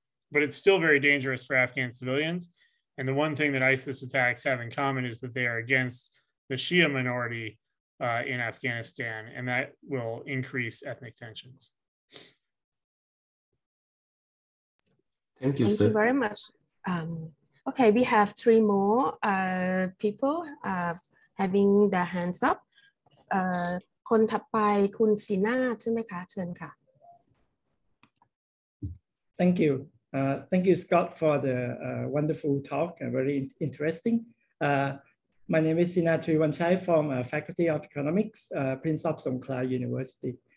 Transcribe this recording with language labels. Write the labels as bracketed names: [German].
[English] But it's still very dangerous for Afghan civilians. And the one thing that ISIS attacks have in common is that they are against the Shia minority in Afghanistan, and that will increase ethnic tensions. Thank you, sir. Thank you very much. Okay, we have three more people having their hands up. [Thai] คนถัดไปคุณสีหน้าใช่ไหมคะเชิญค่ะ [English] Thank you. Thank you, Scott, for the wonderful talk and very interesting. My name is Sina Thuy Wanchai from Faculty of Economics, Prince of Songkhla University.